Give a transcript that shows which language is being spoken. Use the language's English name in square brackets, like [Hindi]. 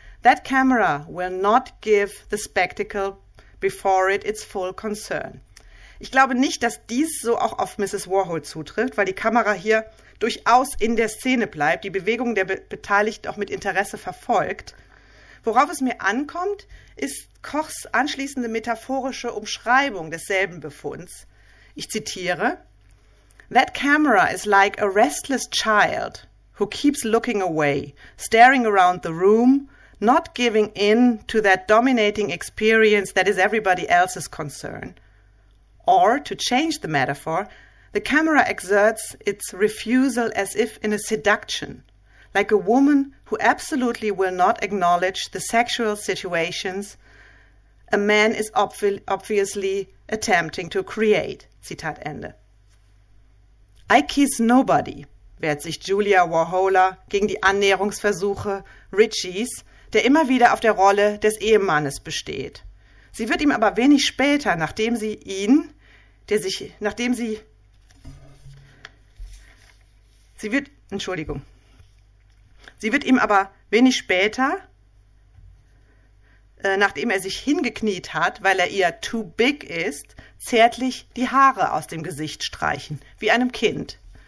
[English] That camera will not give the spectacle before it its full concern. [German] Ich glaube nicht, dass dies so auch auf Mrs. Warhol zutrifft, weil die Kamera hier durchaus in der Szene bleibt, die Bewegung der Beteiligten auch mit Interesse verfolgt. Worauf es mir ankommt, ist Kochs anschließende metaphorische Umschreibung desselben Befunds. Ich zitiere: [English] That camera is like a restless child who keeps looking away, staring around the room, not giving in to that dominating experience that is everybody else's concern. Or, to change the metaphor, the camera exerts its refusal as if in a seduction, like a woman who absolutely will not acknowledge the sexual situations a man is obviously attempting to create. [German] Zitat Ende. [English] I kiss nobody, [German] wehrt sich Julia Warhola gegen die Annäherungsversuche Richies, der immer wieder auf der Rolle des Ehemannes besteht. Sie wird ihm aber wenig später, nachdem er sich hingekniet hat, weil er ihr [English] too big [German] ist, zärtlich die Haare aus dem Gesicht streichen, wie einem Kind.